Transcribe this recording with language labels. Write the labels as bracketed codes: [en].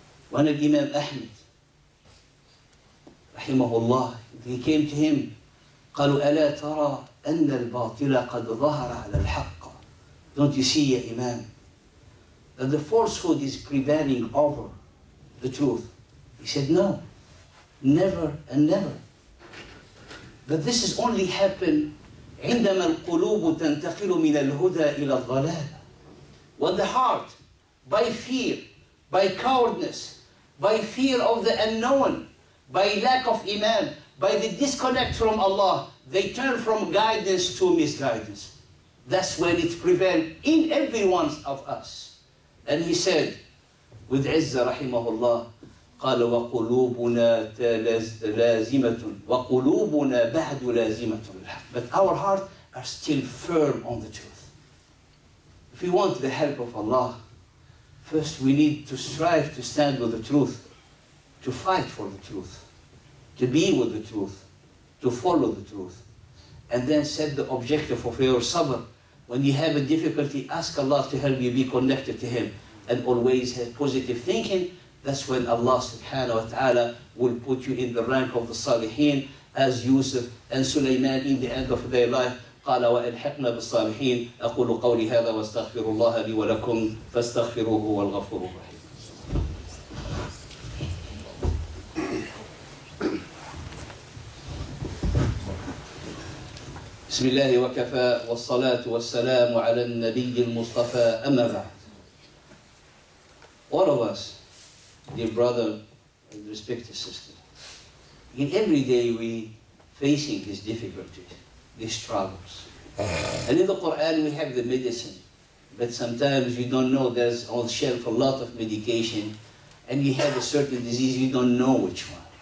[en] One of Imam Ahmed, rahimahullah, he came to him, [ar] قَالُوا أَلَا تَرَى أَنَّ الْبَاطِلَ قَدْ ظَهَرَ عَلَى الْحَقِّ. [en] Don't you see, ya Imam, that the falsehood is prevailing over the truth? He said, no, never and never. But this has only happened [ar] عندما القلوب تنتقل من الهدى إلى الضلال. [en] When the heart, by fear, by cowardice, by fear of the unknown, by lack of iman, by the disconnect from Allah, they turn from guidance to misguidance. That's when it's prevailed in every one of us. And he said, with Izzah rahimahullah, [ar] قَالَ وَقُلُوبُنَا لَازِمَةٌ وَقُلُوبُنَا بَعْدُ لَازِمَةٌ. [en] But our hearts are still firm on the truth. If we want the help of Allah, first we need to strive to stand with the truth, to fight for the truth, to be with the truth, to follow the truth, and then set the objective of your sabr. When you have a difficulty, ask Allah to help you be connected to Him and always have positive thinking. That's when Allah subhanahu wa ta'ala will put you in the rank of the salihin, as Yusuf and Sulaiman in the end of their life. [ar] قال وألحقنا بالصالحين أقول قولي هذا واستغفر الله لي ولكم فاستغفروه هو الغفور الرحيم. بسم الله وكفى والصلاة والسلام على النبي المصطفى. أما بعد, [en] all of us, dear brother and respected sister, in every day we facing these difficulties, these troubles. And in the Quran we have the medicine, but sometimes you don't know, there's on the shelf a lot of medication and you have a certain disease, you don't know which one.